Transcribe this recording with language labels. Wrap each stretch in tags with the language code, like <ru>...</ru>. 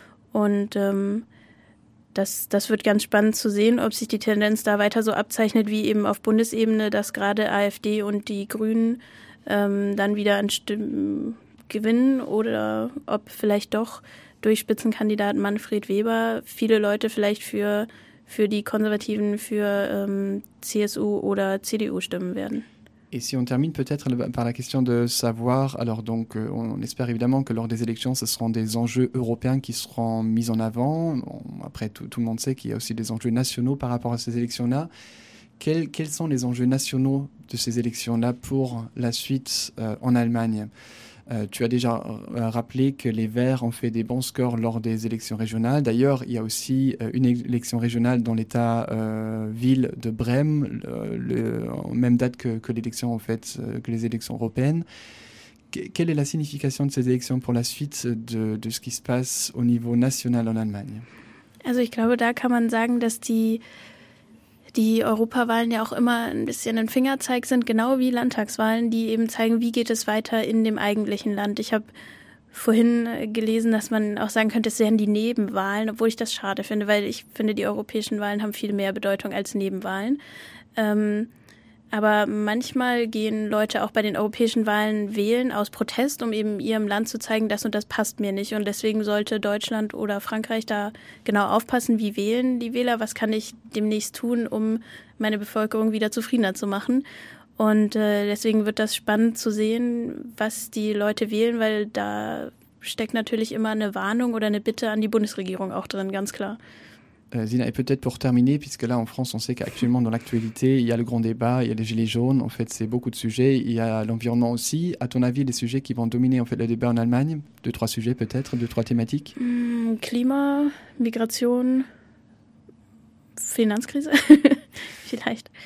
<de>Und das wird ganz spannend zu sehen, ob sich die Tendenz da weiter so abzeichnet wie eben auf Bundesebene, dass gerade AfD und die Grünen dann wieder an Stimmen gewinnen oder ob vielleicht doch durch Spitzenkandidaten Manfred Weber viele Leute vielleicht für die Konservativen, für CSU oder CDU stimmen werden.</de> <fr>Et si on termine peut-être par la question de savoir, alors donc on espère évidemment que lors des élections, ce seront des enjeux européens qui seront mis en avant. Bon, après, tout le monde sait qu'il y a aussi des enjeux nationaux par rapport à ces élections-là. Quels sont les enjeux nationaux de ces élections-là pour la suite en Allemagne? Tu as déjà rappelé que les Verts ont fait des bons scores lors des élections régionales. D'ailleurs, il y a aussi une élection régionale dans l'état ville de Brême, même date que l'élection en fait, que les élections européennes. Quelle est la signification de ces élections pour la suite de ce qui se passe au niveau national en Allemagne?</fr> <de>Also, ich glaube, da kann man sagen, dass die Europawahlen ja auch immer ein bisschen ein Fingerzeig sind, genau wie Landtagswahlen, die eben zeigen, wie geht es weiter in dem eigentlichen Land. Ich habe vorhin gelesen, dass man auch sagen könnte, es wären die Nebenwahlen, obwohl ich das schade finde, weil ich finde, die europäischen Wahlen haben viel mehr Bedeutung als Nebenwahlen. Aber manchmal gehen Leute auch bei den europäischen Wahlen wählen aus Protest, um eben ihrem Land zu zeigen, das und das passt mir nicht. Und deswegen sollte Deutschland oder Frankreich da genau aufpassen, wie wählen die Wähler, was kann ich demnächst tun, um meine Bevölkerung wieder zufriedener zu machen. Und deswegen wird das spannend zu sehen, was die Leute wählen, weil da steckt natürlich immer eine Warnung oder eine Bitte an die Bundesregierung auch drin, ganz klar.</de> <fr>Sina, et peut-être pour terminer, puisque là en France, on sait qu'actuellement dans l'actualité, il y a le grand débat, il y a les gilets jaunes, en fait c'est beaucoup de sujets, il y a l'environnement aussi. À ton avis, les sujets qui vont dominer en fait le débat en Allemagne, 2-3 sujets peut-être, 2-3 thématiques? Climat, migration, finance crise.</fr> <de>vielleicht.</de>